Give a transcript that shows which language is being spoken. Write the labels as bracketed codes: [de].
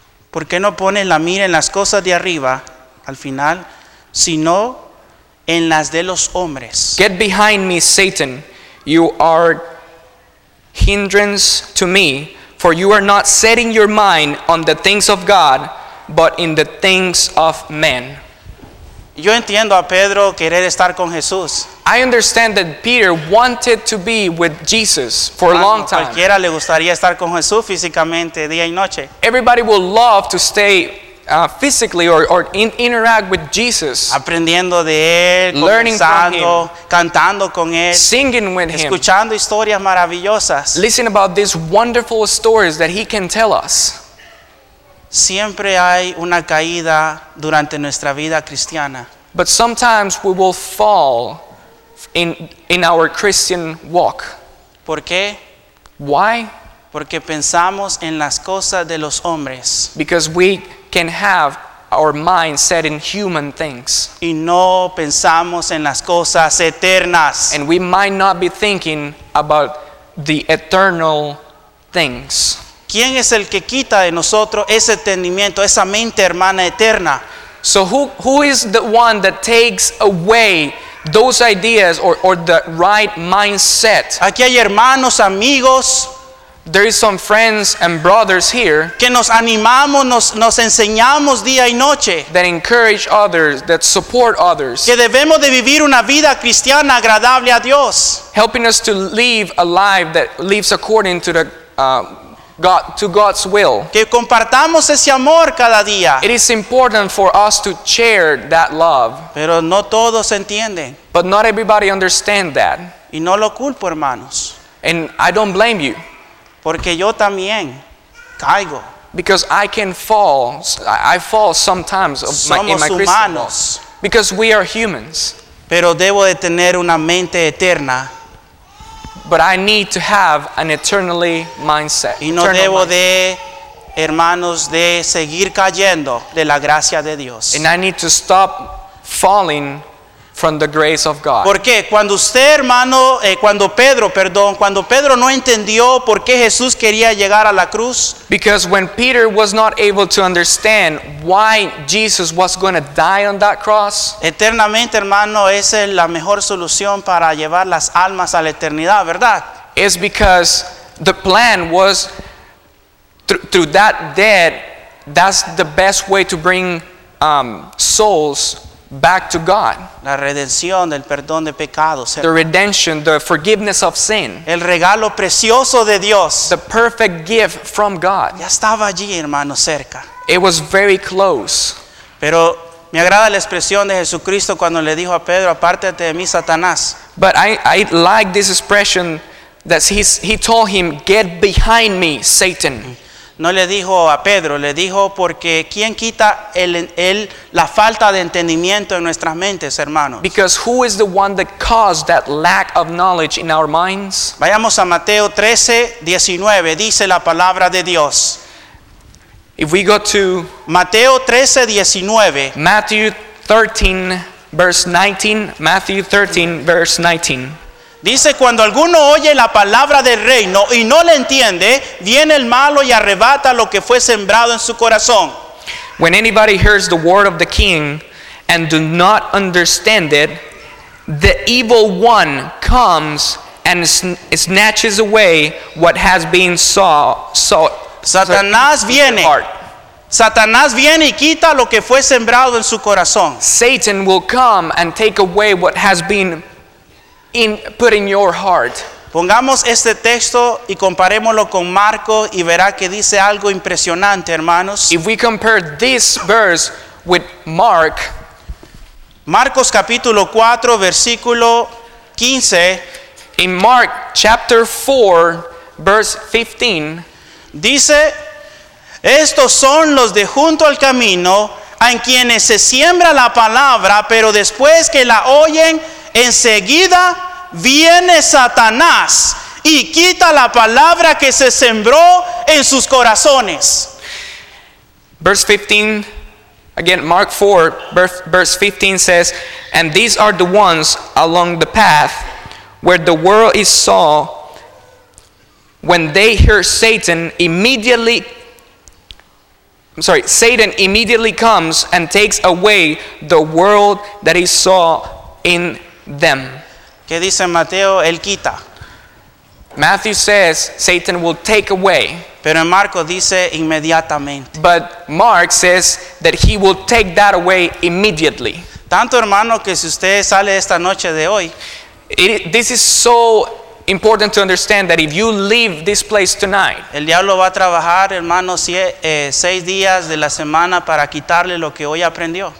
[es] ¿Por qué no pones la mira en las cosas de arriba, al final, sino en las de los hombres? [en] Get behind me, Satan. You are hindrance to me, for you are not setting your mind on the things of God, but in the things of men. [es] Yo entiendo a Pedro querer estar con Jesús. [en] I understand that Peter wanted to be with Jesus for a long time. [es] Cualquiera le gustaría estar con Jesús físicamente día y noche. [en] Everybody would love to stay physically or interact with Jesus. [es] Aprendiendo de él, [en] learning from him, [es] cantando con él, [en] singing with him, [es] escuchando historias maravillosas. [en] Listen about these wonderful stories that he can tell us. [es] Siempre hay una caída durante nuestra vida cristiana. [en] But sometimes we will fall in our Christian walk. [es] ¿Por qué? [en] Why? [es] Porque pensamos en las cosas de los hombres. [en] Because we can have our mind set in human things. [es] Y no pensamos en las cosas eternas. [en] And we might not be thinking about the eternal things. [es] ¿Quién es el que quita de nosotros ese entendimiento, esa mente, hermana, eterna? [en] So who is the one that takes away those ideas or the right mindset? [es] Aquí hay hermanos, amigos. [en] There is some friends and brothers here. [es] Que nos animamos, nos enseñamos día y noche. [en] That encourage others, that support others. [es] Que debemos de vivir una vida cristiana agradable a Dios. [en] Helping us to live a life that lives according to the God, to God's will. [es] Que compartamos ese amor cada día. [en] It is important for us to share that love. [es] Pero no todos entienden. [en] But not everybody understands that. [es] Y no lo culpo, hermanos. [en] And I don't blame you. [es] Porque yo también caigo. [en] Because I can fall. I fall sometimes in my Christian walk. Because we are humans. [es] Pero debo de tener una mente eterna. [en] But I need to have an eternally mindset. [es] Y no debo de, hermanos, de seguir cayendo de la gracia de Dios. [en] And I need to stop falling from the grace of God. [es] Porque cuando usted, hermano, cuando Pedro no entendió por qué Jesús quería llegar a la cruz, [en] because when Peter was not able to understand why Jesus was going to die on that cross, [es] eternamente, hermano, esa es la mejor solución para llevar las almas a la eternidad, ¿verdad? [en] Is because the plan was through that death, that's the best way to bring souls back to God. [es] La redención, el perdón de pecados. [en] The redemption, the forgiveness of sin. [es] El regalo precioso de Dios. [en] The perfect gift from God. [es] Ya estaba allí, hermano, cerca. [en] It was very close. [es] Pero me agrada la expresión de Jesucristo cuando le dijo a Pedro, apártate de mí, Satanás. [en] But I like this expression that he told him, get behind me, Satan. [es] No le dijo a Pedro, le dijo porque quién quita él la falta de entendimiento en nuestras mentes, hermanos. [en] Because who is the one that caused that lack of knowledge in our minds? [es] Vayamos a Mateo 13:19, dice la palabra de Dios. [en] If we go to [es] Mateo 13:19, [en] Matthew 13 verse 19, Matthew 13 verse 19. [es] Dice, cuando alguno oye la palabra del reino y no le entiende, viene el malo y arrebata lo que fue sembrado en su corazón. [en] When anybody hears the word of the king and do not understand it, the evil one comes and snatches away what has been sought. [es] Satanás viene. Satanás viene y quita lo que fue sembrado en su corazón. [en] Satan will come and take away what has been put in your heart. [es] Pongamos este texto y comparémoslo con Marco y verá que dice algo impresionante, hermanos. [en] If we compare this verse with Mark, [es] Marcos capítulo 4 versículo 15, [en] in Mark chapter 4 verse 15, [es] dice, estos son los de junto al camino, en quienes se siembra la palabra, pero después que la oyen, enseguida viene Satanás y quita la palabra que se sembró en sus corazones. [en] Verse 15, again, Mark 4, verse 15 says, and these are the ones along the path where the world is saw. When they hear Satan, Satan immediately comes and takes away the world that he saw in them. [es] ¿Qué dice Mateo? Él quita. [en] Matthew says Satan will take away. [es] Pero en Marcos dice inmediatamente. [en] But Mark says that he will take that away immediately. [es] Tanto, hermano, que si usted sale esta noche de hoy, [en] this is so important to understand that if you leave this place tonight, [es] el diablo va a trabajar, hermano, seis días de la semana para quitarle lo que hoy aprendió.